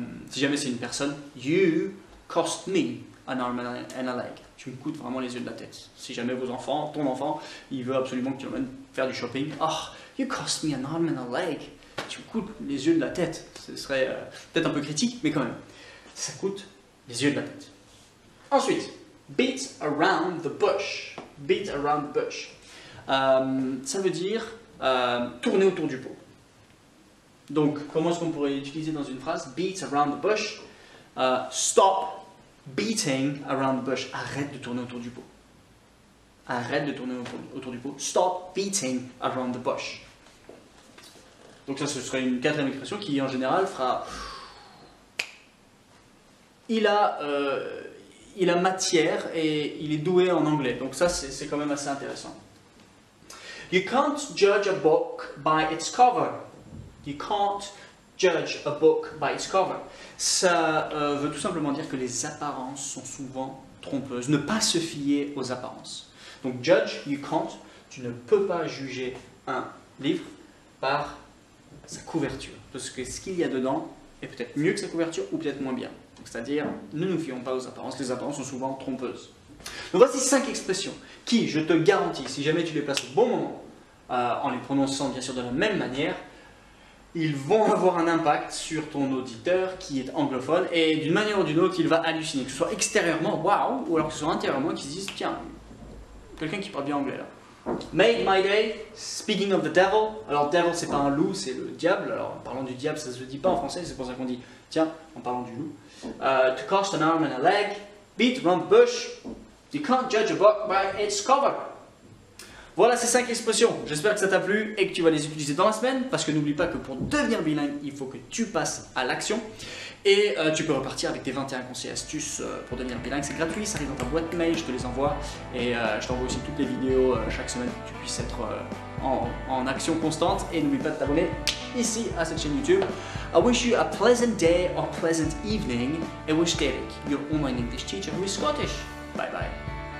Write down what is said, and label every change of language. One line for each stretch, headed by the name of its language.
French: Si jamais c'est une personne,
English: you cost me an arm and a leg.
French: Tu me coûtes vraiment les yeux de la tête. Si jamais vos enfants, ton enfant, il veut absolument que tu l'emmènes faire du shopping.
English: Oh, you cost me an arm and a leg.
French: Tu me coûtes les yeux de la tête. Ce serait peut-être un peu critique, mais quand même. Ça coûte les yeux de la tête. Ensuite,
English: beat around the bush. Beat around the bush.
French: Ça veut dire tourner autour du pot. Donc, comment est-ce qu'on pourrait l'utiliser dans une phrase?
English: Beat around the bush. Stop beating around the bush.
French: Arrête de tourner autour du pot. Arrête de tourner autour du pot.
English: Stop beating around the bush.
French: Donc ça, ce serait une quatrième expression qui, en général, fera... Il a matière et il est doué en anglais. Donc ça, c'est quand même assez intéressant.
English: You can't judge a book by its cover. You can't judge a book by its cover.
French: Ça veut tout simplement dire que les apparences sont souvent trompeuses. Ne pas se fier aux apparences. Donc judge,
English: you can't,
French: tu ne peux pas juger un livre par sa couverture. Parce que ce qu'il y a dedans est peut-être mieux que sa couverture ou peut-être moins bien. Donc, c'est-à-dire, ne nous fions pas aux apparences, les apparences sont souvent trompeuses. Donc voici 5 expressions qui, je te garantis, si jamais tu les places au bon moment, en les prononçant bien sûr de la même manière, ils vont avoir un impact sur ton auditeur qui est anglophone et d'une manière ou d'une autre, il va halluciner. Que ce soit extérieurement, waouh, ou alors que ce soit intérieurement, qu'ils se disent, tiens, quelqu'un qui parle bien anglais là.
English: Made my day, speaking of the devil.
French: Alors, devil, c'est pas un loup, c'est le diable. Alors, en parlant du diable, ça se dit pas en français, c'est pour ça qu'on dit, tiens, en parlant du loup.
English: To cost an arm and a leg, beat around the bush. You can't judge a book by its cover.
French: Voilà ces 5 expressions. J'espère que ça t'a plu et que tu vas les utiliser dans la semaine. Parce que n'oublie pas que pour devenir bilingue, il faut que tu passes à l'action. Et tu peux repartir avec tes 21 conseils astuces pour devenir bilingue. C'est gratuit, ça arrive dans ta boîte mail, je te les envoie. Et je t'envoie aussi toutes les vidéos chaque semaine pour que tu puisses être en action constante. Et n'oublie pas de t'abonner ici à cette chaîne YouTube.
English: I wish you a pleasant day or pleasant evening. And wish Derek, your online English teacher who is Scottish. Bye bye.